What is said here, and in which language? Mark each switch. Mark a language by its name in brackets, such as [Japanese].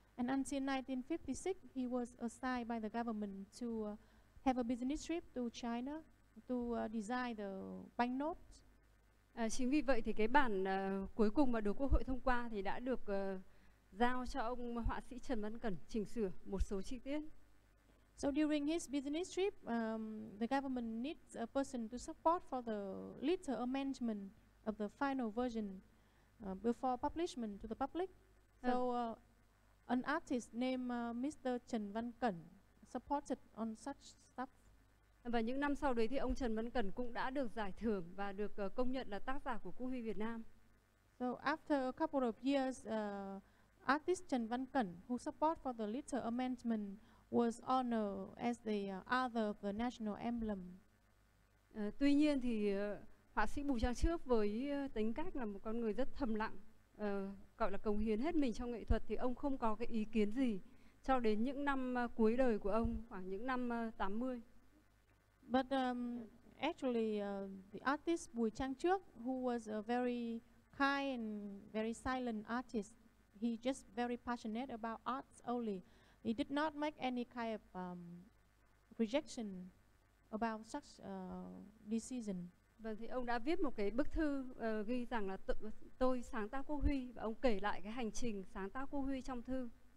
[English] And until 1956, he was assigned by the government to have a business trip to China to design the banknote. [Vietnamese] Chính vì vậy thì cái bản cuối cùng mà được Quốc hội thông qua thì đã được giao cho ông họa sĩ Trần Văn Cẩn chỉnh sửa một số chi tiết. [English] So during his business trip, the government needs a person to support for the little amendment of the final version before publishment to the public. So an artist named Mr. Trần Văn Cẩn supported on such stuff. [Vietnamese] Và những năm sau đấy thì ông Trần Văn Cẩn cũng đã được giải thưởng và được công nhận là tác giả của quốc huy Việt Nam. [English] So after a couple of years, artist Trần Văn Cẩn, who support for the little amendment, was honored as the author of the national emblem. [Vietnamese] Tuy nhiên thì họa sĩ Bùi Trang Trước với tính cách là một con người rất thầm lặng, gọi là cống hiến hết mình cho nghệ thuật, thì ông không có cái ý kiến gì cho đến những năm cuối đời của ông, khoảng những năm 80. [English] But actually, the artist Bùi Trang Trước, who was a very kind and very silent artist, he just very passionate about arts only. He did not make any kind of rejection about such decision. [Vietnamese] Vâng, thì ông đã viết một cái bức thư ghi rằng là tôi sáng tác quốc huy, và ông kể lại cái hành trình sáng tác quốc huy trong thư.